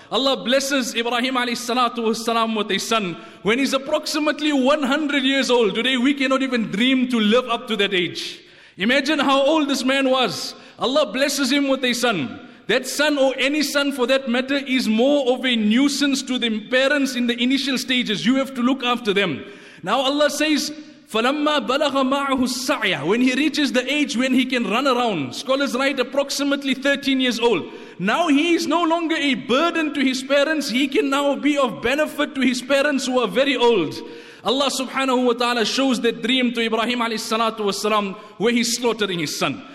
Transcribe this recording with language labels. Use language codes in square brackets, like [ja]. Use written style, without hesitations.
[en] Allah blesses Ibrahim alayhi salatu wasalam with a son when he's approximately 100 years old. Today we cannot even dream to live up to that age. Imagine how old this man was. Allah blesses him with a son. That son, or any son for that matter, is more of a nuisance to the parents in the initial stages. You have to look after them. Now Allah says, [ar] فَلَمَّا بَلَغَ مَعَهُ السَّعْيَ. [en] When he reaches the age when he can run around, scholars write approximately 13 years old. Now he is no longer a burden to his parents. He can now be of benefit to his parents who are very old. Allah subhanahu wa ta'ala shows that dream to Ibrahim alayhi salatu wasalam where he's slaughtering his son.